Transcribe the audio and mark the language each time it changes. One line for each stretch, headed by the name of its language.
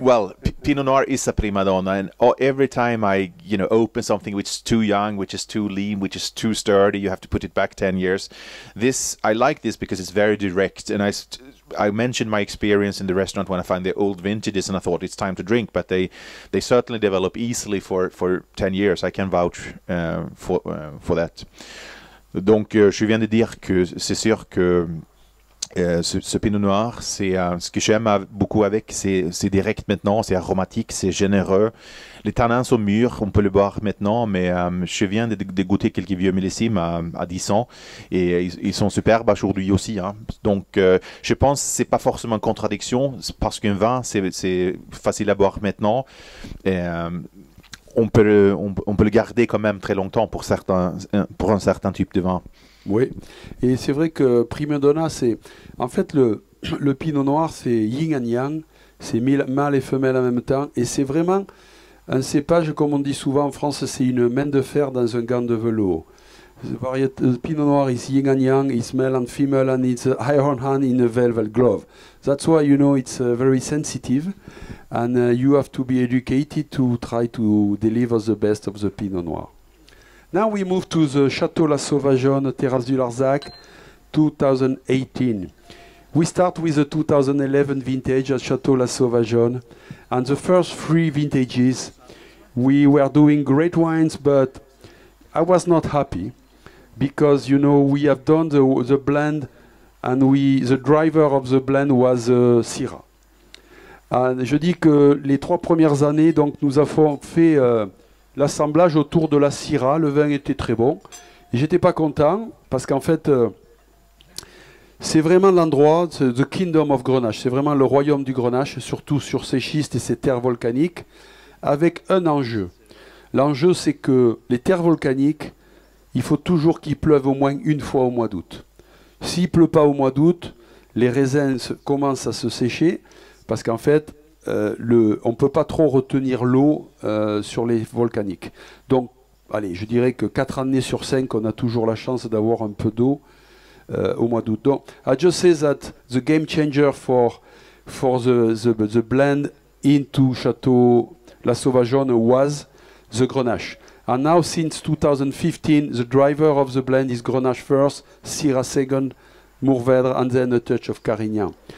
English: Well, Pinot Noir is a prima donna, and every time I, you know, open something which is too young, which is too lean, which is too sturdy, you have to put it back 10 years. This I like this because it's very direct, and I mentioned my experience in the restaurant when I find the old vintages, and I thought it's time to drink, but they certainly develop easily for 10 years. I can vouch for that.
French: Donc, je viens de dire que c'est sûr que. Ce Pinot Noir, c'est ce que j'aime beaucoup avec, c'est direct maintenant, c'est aromatique, c'est généreux. Les tanins sont mûrs, on peut le boire maintenant, mais je viens de goûter quelques vieux millésimes à 10 ans et ils sont superbes aujourd'hui aussi. Hein. Donc je pense que ce n'est pas forcément une contradiction, parce qu'un vin, c'est facile à boire maintenant. Et, on peut le garder quand même très longtemps pour un certain type de vin. Oui, et c'est vrai que prima donna, c'est en fait le Pinot Noir, c'est yin and yang, c'est mâle et femelle en même temps, et c'est vraiment un cépage, comme on dit souvent en France, c'est une main de fer dans un gant de velours.
English: The Pinot Noir is yin and yang, it's male and female, and it's iron hand in a velvet glove. That's why, you know, it's very sensitive, and you have to be educated to try to deliver the best of the Pinot Noir. Now we move to the Chateau La Sauvageonne, Terrasse du Larzac, 2018. We start with the 2011 vintage at Chateau La Sauvageonne. And the first three vintages, we were doing great wines, but I was not happy. Because, you know, we have done the blend, and the driver of the blend was Syrah.
French: And je dis que les trois premières années, donc nous avons fait... l'assemblage autour de la Syrah, le vin était très bon. Et j'étais pas content parce qu'en fait, c'est vraiment l'endroit, c'est
English: the kingdom of Grenache,
French: c'est vraiment le royaume du Grenache, surtout sur ses schistes et ses terres volcaniques, avec un enjeu. L'enjeu, c'est que les terres volcaniques, il faut toujours qu'il pleuve au moins une fois au mois d'août. S'il ne pleut pas au mois d'août, les raisins commencent à se sécher parce qu'en fait, on ne peut pas trop retenir l'eau sur les volcaniques. Donc, allez, je dirais que 4 années sur 5, on a toujours la chance d'avoir un peu d'eau au mois d'août.
English: Donc, I just say that the game changer for the blend into Château La Sauvageonne was the Grenache. And now, since 2015, the driver of the blend is Grenache first, Syrah second, Mourvèdre, and then a touch of Carignan.